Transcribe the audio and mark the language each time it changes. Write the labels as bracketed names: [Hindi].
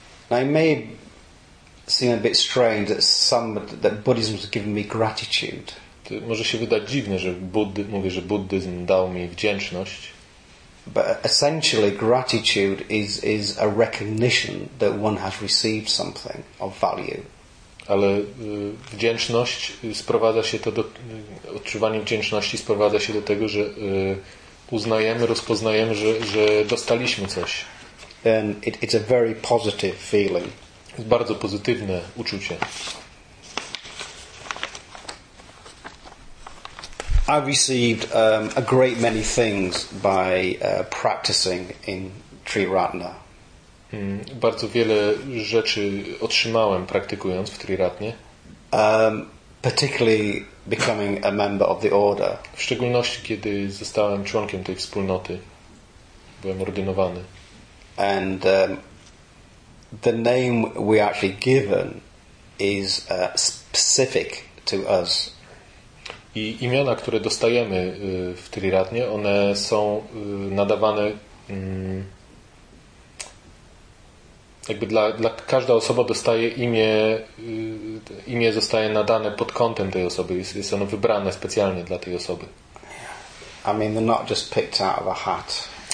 [English] Now it may seem a bit strange that that Buddhism has given me gratitude. [Polish] To może się wydać dziwne, że buddyzm dał mi wdzięczność. [English] But essentially, gratitude is a recognition that one has received something of value. [Polish] Ale wdzięczność sprowadza się to do odczuwanie wdzięczności sprowadza się do tego, że uznajemy, rozpoznajemy, że dostaliśmy coś. [English] And it's a very positive feeling. [Polish] Jest bardzo pozytywne uczucie. [English] I received a great many things by practicing in Sri Ratna. [Polish] Bardzo wiele rzeczy otrzymałem praktykując w Sri Ratnie. [English] Particularly becoming a member of the order. [Polish] W szczególności kiedy zostałem członkiem tej wspólnoty, byłem ordynowany. [English] And the name we actually given is specific to us. [Polish] I imiona, które dostajemy w Sri Ratnie, one są nadawane jakby dla każda osoba dostaje imię, imię zostaje nadane pod kątem tej osoby, jest ono wybrane specjalnie dla tej osoby. [English] I mean, they're not just picked out of a hat.